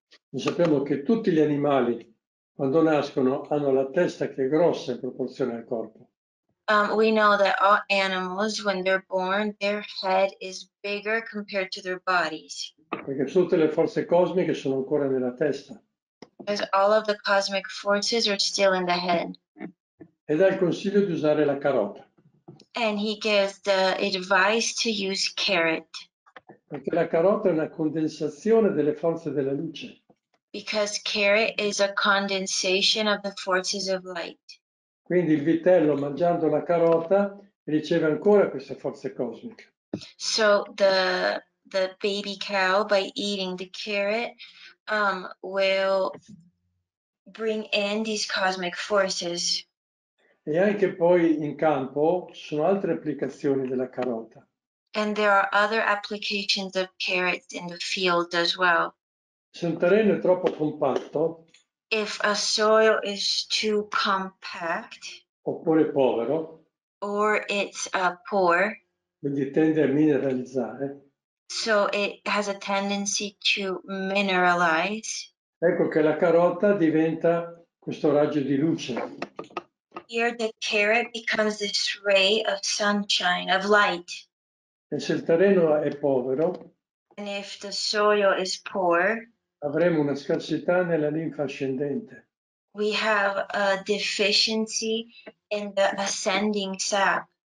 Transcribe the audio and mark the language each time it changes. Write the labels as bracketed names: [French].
[Italian] Noi sappiamo che tutti gli animali, quando nascono, hanno la testa che è grossa in proporzione al corpo. [English] We know that all animals, when they're born, their head is bigger compared to their bodies. [Italian] Perché tutte le forze cosmiche sono ancora nella testa. [English] Because all of the cosmic forces are still in the head. [Italian] E dà il consiglio di usare la carota. [English] And he gives the advice to use carrot. [Italian] Perché la carota è una condensazione delle forze della luce. [English] Because carrot is a condensation of the forces of light. [Italian] Quindi il vitello, mangiando la carota, riceve ancora queste forze cosmiche. [English] So the baby cow, by eating the carrot, will bring in these cosmic forces. [Italian] E anche poi in campo ci sono altre applicazioni della carota. [English] And there are other applications of carrots in the field as well. [Italian] Se un terreno è troppo compatto, [English] if a soil is too compact, [Italian] oppure povero, [English] or it's poor, [Italian] quindi tende a mineralizzare, [English] so it has a tendency to mineralize, [Italian] ecco che la carota diventa questo raggio di luce. [English] Here the carrot becomes this ray of sunshine, of light. [Italian] E se il terreno è povero, [English] and if the soil is poor, [Italian] avremo una scarsità nella linfa ascendente. [English] We have a deficiency in the ascending sap.